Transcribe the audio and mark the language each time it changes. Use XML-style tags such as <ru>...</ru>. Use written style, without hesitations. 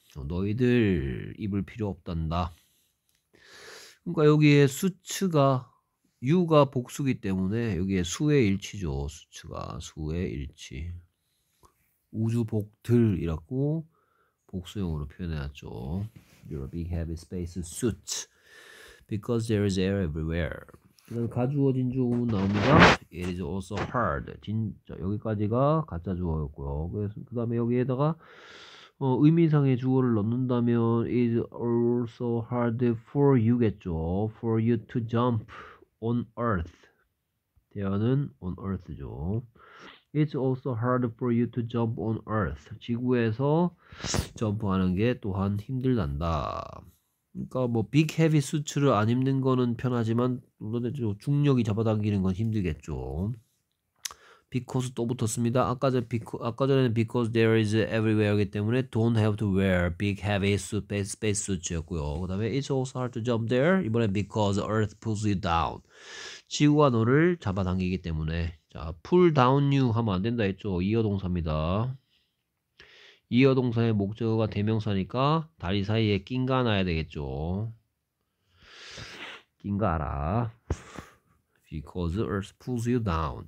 <ko>너희들 입을 필요 없단다. 그러니까 여기에 수츠가 유가 복수기 때문에 여기에 수의 일치죠. 수츠가 수의 일치. 우주복들이라고 복수형으로 표현해놨죠.</ko> <en>Your big heavy space suit because there is air everywhere.</en> <ko>그다음 가주어 진주 나옵니다.</ko> <en>It is also hard.</en> <ko>진짜 여기까지가 가짜 주어였고요. 그래서 그다음에 여기에다가 의미상의 주어를 넣는다면</ko> <en>it is also hard for you</en> <ko>겠죠.</ko> <en>For you to jump on earth.</en> <ko>대화는</ko> <en>on earth죠. It's also hard for you to jump on earth.</en> <ko>지구에서 점프하는 게 또한 힘들단다. 그러니까 뭐 빅, 헤비 수트를 안 입는 거는 편하지만 중력이 잡아당기는 건 힘들겠죠. Because 또 붙었습니다. 아까 전에는</ko> <en>because there is everywhere</en> <ko>이기 때문에</ko> <en>don't have to wear big heavy space suit</en> <ko>였고요. 그 다음에</ko> <en>it's also hard to jump there.</en> <ko>이번에</ko> <en>because earth pulls you down.</en> <ko>지구가 너를 잡아당기기 때문에. 자,</ko> <en>pull down you</en> <ko>하면 안 된다 했죠. 이어 동사입니다. 이어 동사의 목적어가 대명사니까 다리 사이에 낀가 놔야 되겠죠. 낀가 알아.</ko> <en>Because earth pulls you down.</en>